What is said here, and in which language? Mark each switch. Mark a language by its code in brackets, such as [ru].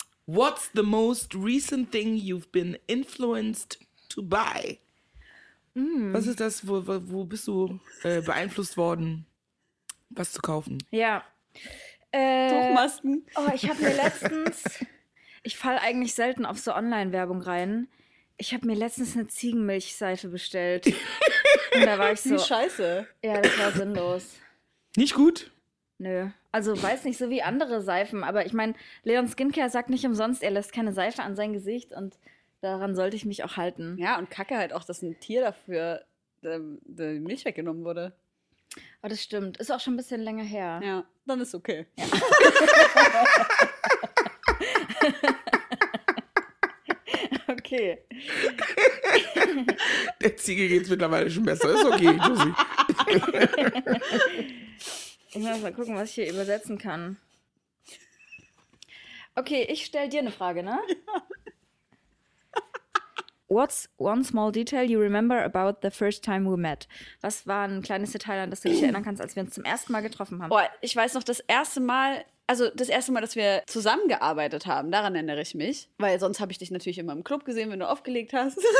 [en] What's the most recent thing you've been influenced to buy? Mhm. [de] Was ist das, wo bist du beeinflusst worden, was zu kaufen? Ja. Tuchmasken. Oh, ich habe mir letztens, ich falle eigentlich selten auf so Online-Werbung rein, ich habe mir letztens eine Ziegenmilchseife bestellt. Und da war ich so. Wie scheiße. Ja, das war sinnlos. Nicht gut? Nö. Also, weiß nicht, so wie andere Seifen. Aber ich meine, Leon Skincare sagt nicht umsonst, er lässt keine Seife an sein Gesicht. Und daran sollte ich mich auch halten. Ja, und kacke halt auch, dass ein Tier dafür die Milch weggenommen wurde. Oh, das stimmt. Ist auch schon ein bisschen länger her. Ja, dann ist okay. Ja. Okay. Der Ziege geht's mittlerweile schon besser. Ist okay, Josi. Ich muss mal gucken, was ich hier übersetzen kann. Okay, ich stell dir eine Frage, ne? Ja. [en] What's one small detail you remember about the first time we met? [de] Was war ein kleines Detail, an das du dich erinnern kannst, als wir uns zum ersten Mal getroffen haben? Oh, ich weiß noch, das erste Mal... Also das erste Mal, dass wir zusammengearbeitet haben, daran erinnere ich mich. Weil sonst habe ich dich natürlich immer im Club gesehen, wenn du aufgelegt hast.